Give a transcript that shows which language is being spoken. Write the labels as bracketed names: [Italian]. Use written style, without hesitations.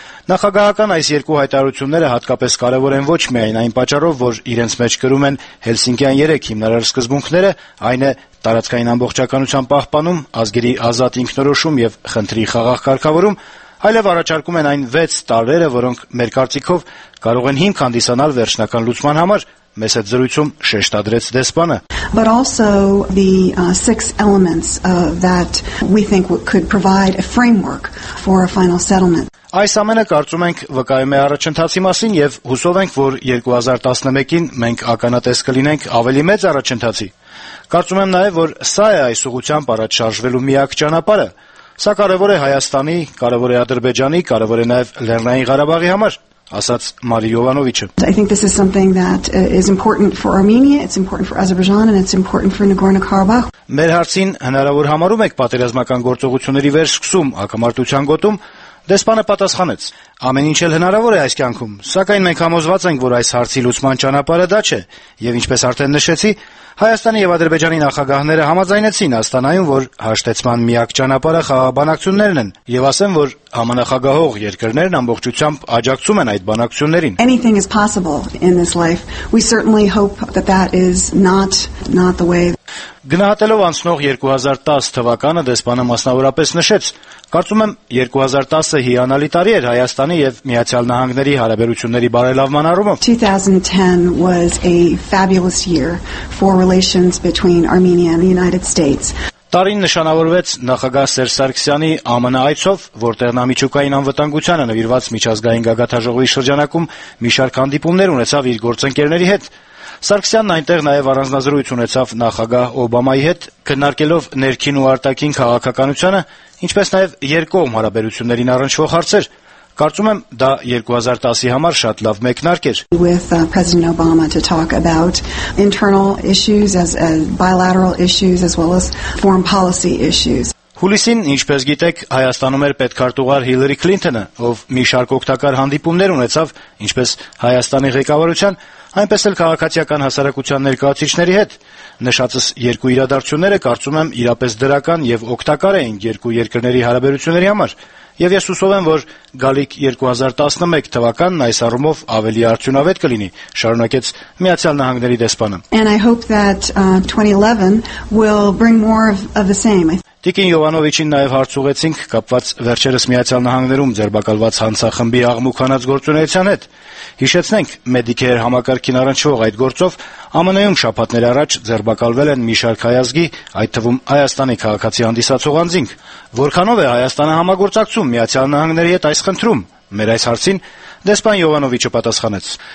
[Armenian] Նախագահական այս երկու հայտարարությունները հատկապես կարևոր են ոչ միայն այն պատճառով, որ իրենց մեջ կրում են Հելսինկիան 3 հիմնարար սկզբունքները, այն է տարածքային ամբողջականության պահպանում, ազգերի ազատ ինքնորոշում և խնդրի խաղաղ կարգավորում, այլև առաջարկում են այն 6 տարրերը, որոնք մեր կարծիքով կարող են հիմք հանդիսանալ վերջնական լուծման համար, Մեզ հետ զրույցում շեշտադրեց դեսպանը. [English] But also the six elements that we think could provide a framework for a final settlement. [Armenian] Այս ամենը կարծում ենք վկայում է առաջընթացի մասին եւ հուսով ենք, որ 2011-ին մենք ականատես կլինենք ավելի մեծ առաջընթացի։ Կարծում եմ նաեւ, որ սա է այս ուղությամբ առաջ շարժվելու միակ ճանապարհը։ Սա կարևոր է Հայաստանի, կարևոր է Ադրբեջանի, կարևոր է նաեւ Լեռնային Ղարաբաղի համար, ասաց Մարի Յովանովիչը. [English] I think this is something that is important for Armenia, it's important for Azerbaijan and it's important for Nagorno-Karabakh. [Armenian] Մեր հարցին հնարավոր համարում եք պատերազմական գործողությունների վերսկսում ակամարտության գոտում։ Դեսպանը պատասխանեց. Ամեն ինչ էլ հնարավոր է այս կյանքում, սակայն մենք համոզված ենք, որ այս հարցի լուծման ճանապարհը դա չէ, եւ ինչպես արդեն նշեցի, Հայաստանի եւ Ադրբեջանի նախագահները համաձայնեցին Աստանայում, որ հաշտեցման միակ ճանապարհը խաղաբանակցություններն են, եւ ասեմ, որ համանախագահող երկրներն ամբողջությամբ աջակցում են այդ բանակցություններին. [English] Anything is possible in this life. We certainly hope that that is not the way. [Armenian] Գնահատելով անցնող 2010 թվականը դեսպանը մասնավորապես նշեց. Կարծում եմ 2010-ը հիանալի տարի էր Հայաստանի եւ Միացյալ Նահանգների հարաբերությունների բարելավման առումով. [English] 2010 was a fabulous year for relations between Armenia and the United States. [Armenian] Տարին նշանավորվեց նախագահ Սերժ Սարգսյանի ԱՄՆ այցով, որտեղ նա միջուկային անվտանգությանը նվիրված միջազգային գագաթաժողովի շրջանակում մի շարք հանդիպումներ ունեցավ իր գործընկերների հետ. Սարգսյանն այնտեղ նաև առանձնազրույց ունեցավ նախագահ Օբամայի հետ, քննարկելով ներքին ու արտաքին քաղաքականությունը, ինչպես նաև երկկողմ հարաբերություններին առնչվող հարցեր։ Կարծում եմ, դա 2010-ի համար շատ լավ մեկնարկ էր. [English] With President Obama to talk about internal issues as bilateral issues as well as foreign policy issues. [Armenian] Հուլիսին, ինչպես գիտեք, Հայաստանում էր պետքարտուղար Հիլերի Քլինթոնը, ով մի շարք օգտակար հանդիպումներ ունեցավ, ինչպես Հայաստանի ղեկավարության, այնպես էլ քաղաքացիական հասարակության ներկայացուցիչների հետ։ Նշածս երկու իրադարձությունները, կարծում եմ, իրապես դրական եւ օգտակար էին երկու երկրների հարաբերությունների համար։ Եվ ես հուսով եմ, որ գալիք 2011 թվականն այս առումով ավելի արդյունավետ կլինի, շարունակեց Միացյալ Նահանգների դեսպանը։ [English] And I hope that 2011 will bring more of the same. [Armenian] Տիկին Յովանովիչին նաև հարցուղեցինք կապված վերջերս Միացյալ Նահանգներում ձերբակալված հանցախմբի աղմուկանաց գործունեության հետ։ Հիշեցնենք, Մեդիքեր համակարգին առնչվող այդ գործով ԱՄՆ-ում շաբաթներ առաջ ձերբակալվել են մի շարք հայազգի, այդ թվում Հայաստանի քաղաքացի հանդիսացող անձինք։ Որքանով է Հայաստանը համագործակցում Միացյալ Նահանգների հետ այս խնդրում։ Մեր այս հարցին դեսպան Յովանովիչը պատասխանեց.